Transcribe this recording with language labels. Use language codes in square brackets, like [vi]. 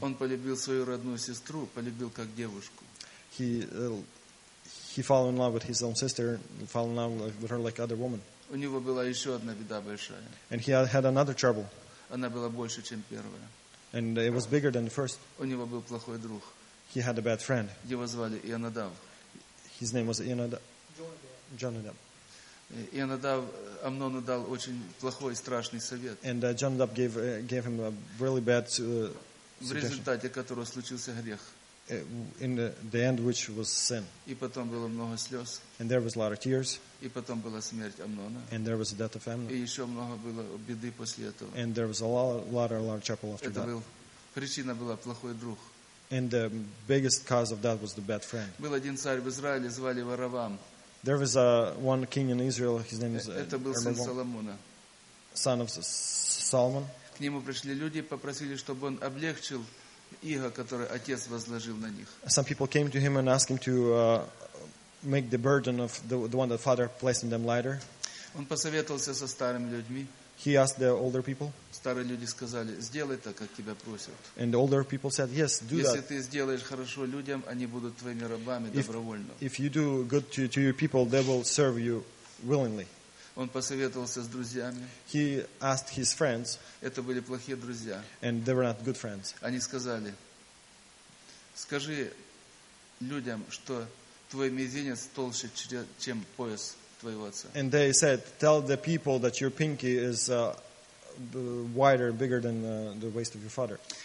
[ru] Он полюбил свою родную сестру, полюбил как девушку. [en] He fell in love with his own sister, fell in love with her like other woman. [ru] У него была еще одна беда большая. [en] And he had another trouble. [ru] Она была больше, чем первая. [en] And it was bigger than the first. [ru] У него был плохой друг. [en] He had a bad friend. [ru] Его звали Ионадав. [en] His name was Jonadab. [ru] Ионадав Амнону дал очень плохой, страшный совет. [en] And Jonadab gave him a really bad suggestion. [ru] В результате которого случился грех. [en] In the end, which was sin. [ru] И потом было много слез. [en] And there was a lot of tears. [ru] И потом была смерть Амнона. [en] And there was the death of Amnon. [ru] И еще много было беды после этого. [en] And there was a lot of trouble after that. [ru] Причина была плохой друг. [en] And the biggest cause of that was the bad friend. [ru] Был один царь в Израиле, звали его Раваам. [en] There was one king in Israel, his name is [ru] Это был сын Соломона. [en] Son of Solomon. [ru] К нему пришли люди и попросили, чтобы он облегчил иго, которое отец возложил на них. [en] Some people came to him and asked him to make the burden of the one that father placed in them lighter. [ru] Он посоветовался со старыми людьми. [en] He asked the older people. [ru] Старые люди сказали, сделай так, как тебя просят. [en] And the older people said, yes, do that. [ru] Если ты сделаешь хорошо людям, они будут твоими рабами добровольно. [en] If you do good to your people, they will serve you willingly. [ru] Он посоветовался с друзьями. [en] He asked his friends. [ru] Это были плохие друзья. [en] And they were not good friends. [ru] Они сказали, скажи людям, что твой мизинец толще, чем пояс. [en] And they said, "Tell the people that your pinky is wider, bigger than the waist of your father."